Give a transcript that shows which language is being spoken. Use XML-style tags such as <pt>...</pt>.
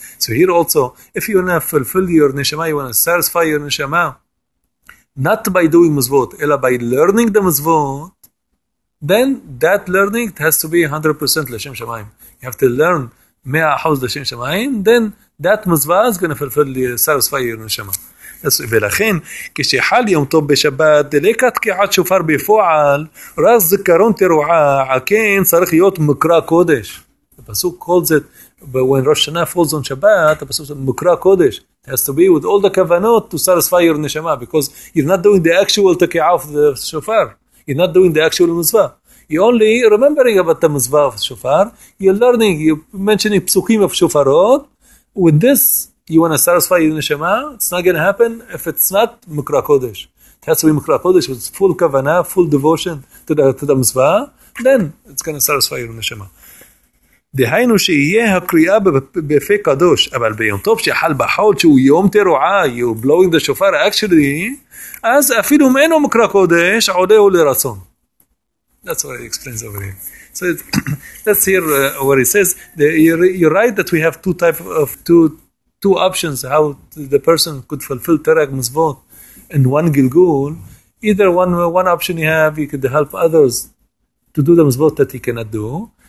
<en>So here also, if you want to fulfill your neshama, you want to satisfy your neshama, not by doing mitzvot, ela by learning the mitzvot, then that learning has to be 100% l'shem shamayim. You have to learn 100% l'shem shamayim, then that mitzvah is going to fulfill, satisfy your neshama.</en> <he>ולכן, כשחל יום טוב בשבת, דלקה תקיעת שופר בפועל, רק זיכרון תרועה, על כן צריך להיות מקרא קודש.</he> <en>הפסוק calls it, when Rosh Hashanah falls on Shabbat, the pasuk mukra kodesh. It has to be with all the kavanot to satisfy your neshama, because you're not doing the actual takia of the shofar. You're not doing the actual mitzvah. You're only remembering about the mitzvah of shofar. You're learning, you're mentioning psukim of shofarot. With this, you want to satisfy your neshama. It's not going to happen if it's not mukra kodesh. It has to be mukra kodesh with full kavanah, full devotion to the mitzvah. Then it's going to satisfy your neshama.</en> <he>דהיינו שיהיה הקריאה בפה קדוש, אבל ביום טוב שחל בחול שהוא יום תרועה,</he> <en>you blowing the shofar actually,</en> <he>אז אפילו אם אינו מקרא קודש, עולה הוא לרצון.</he> <en>That's what he explains over here. So let's hear what he says. You're right that we have two types of two options how the person could fulfill Tereg Mitzvot in one Gilgul. Either one option you have, you could help others to do the Mitzvot that he cannot do.</en>